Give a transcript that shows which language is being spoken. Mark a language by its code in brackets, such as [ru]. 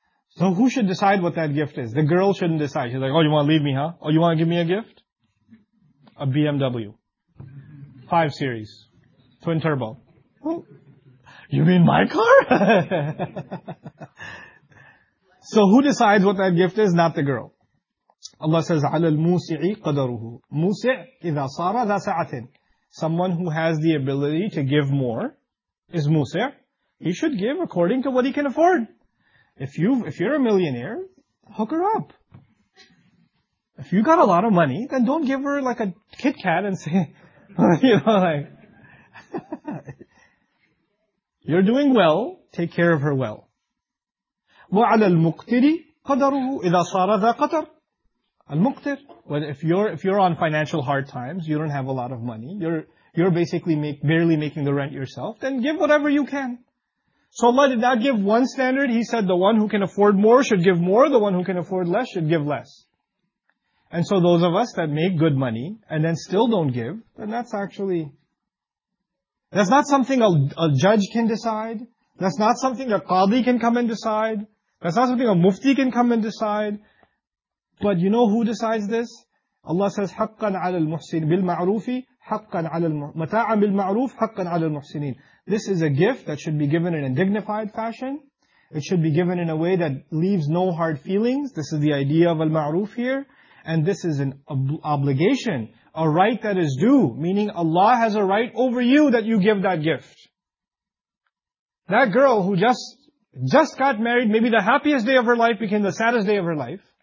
[en] So who should decide what that gift is? The girl shouldn't decide. She's like, oh, you want to leave me, huh? Oh, you want to give me a gift? A BMW. 5 series. Twin turbo. Oh, you mean my car? So who decides what that gift is? Not the girl. Allah says, [ar] عَلَى الْمُوسِعِ قَدَرُهُ مُوسِعِ إِذَا صَارَ ذَا سَعَةٍ. [en] Someone who has the ability to give more is Musa'. He should give according to what he can afford. If you're a millionaire, hook her up. If you got a lot of money, then don't give her like a Kit Kat and say, you know, like, you're doing well, take care of her well. [ar] وَعَلَى الْمُقْتِرِ قَدَرُهُ إِذَا صَارَ ذَا قَدَرُ. Al-muqtir. [en] Well, if you're on financial hard times, you don't have a lot of money, you're barely making the rent yourself, then give whatever you can. So Allah did not give one standard. He said the one who can afford more should give more, the one who can afford less should give less. And so those of us that make good money and then still don't give, then that's not something a judge can decide. That's not something a qadi can come and decide. That's not something a mufti can come and decide. But you know who decides this? Allah says, [ar] حَقًّا عَلَى الْمُحْسِنِ بِالْمَعْرُوفِ حَقًّا عَلَى مَتَاعًا بِالْمَعْرُوفِ حَقًّا عَلَى الْمُحْسِنِينَ. [en] This is a gift that should be given in a dignified fashion. It should be given in a way that leaves no hard feelings. This is the idea of al-ma'roof here. And this is an obligation, a right that is due. Meaning Allah has a right over you that you give that gift. That girl who just got married, maybe the happiest day of her life became the saddest day of her life.